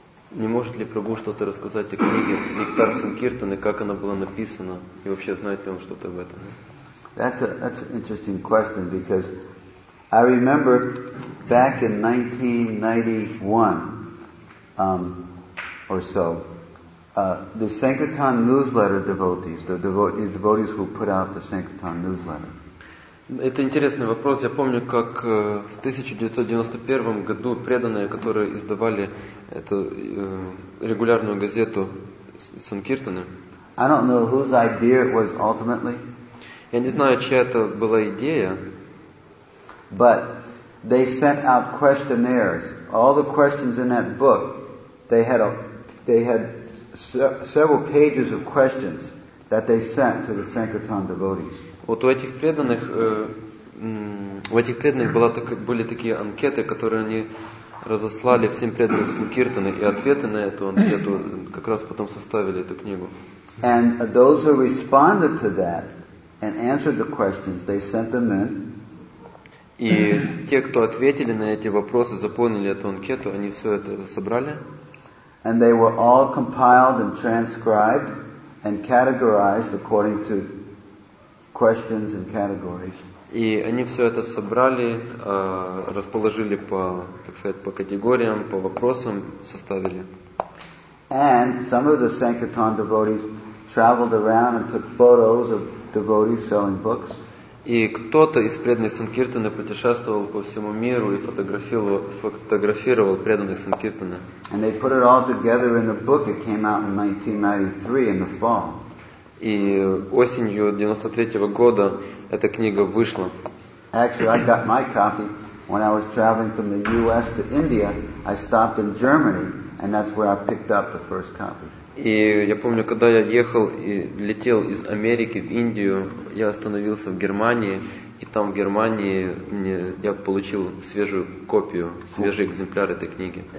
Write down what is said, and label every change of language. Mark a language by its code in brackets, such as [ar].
[ru] Не может ли Прабху что-то рассказать о книге Нектар Санкиртаны, как она была написана, и вообще знает ли он что-то об этом? [en] That's an interesting question, because I remember back in 1991, the Sankirtan newsletter devotees, the devotees who put out the Sankirtan newsletter. [ru] Это интересный вопрос. Я помню, как в 1991 году преданные, которые издавали эту регулярную газету Санкиртаны. [en] I don't know whose idea it was ultimately. [ru] Я не знаю, чья это была идея. [en] But they sent out questionnaires. All the questions in that book, they had several pages of questions that they sent to the Sankirtan devotees. [ru] Вот у этих преданных были такие анкеты, которые они разослали всем преданным Санкиртаны, и ответы на эту анкету как раз потом составили эту книгу. [en] And those who responded to that and answered the questions, they sent them in. [ru] И те, кто ответили на эти вопросы, заполнили эту анкету, они все это собрали. [en] And they were all compiled and transcribed and categorized according to questions and categories. [ru] И они все это собрали, расположили по, так сказать, по категориям, по вопросам, составили. [en] And some of the Sankirtan devotees traveled around and took photos of devotees selling books. [ru] И кто-то из преданных Санкиртаны путешествовал по всему миру и фотографировал преданных Санкиртаны. [en] And they put it all together in a book. It came out in 1993 in the fall. [ru] И осенью 93-го года эта книга вышла. [en] Actually, I got my copy when I was traveling from the U.S. to India. I stopped in Germany, and that's where I picked up the first copy. [ru] И я помню, когда я ехал и летел из Америки в Индию, я остановился в Германии, и там в Германии я получил свежую копию, свежий экземпляр этой книги.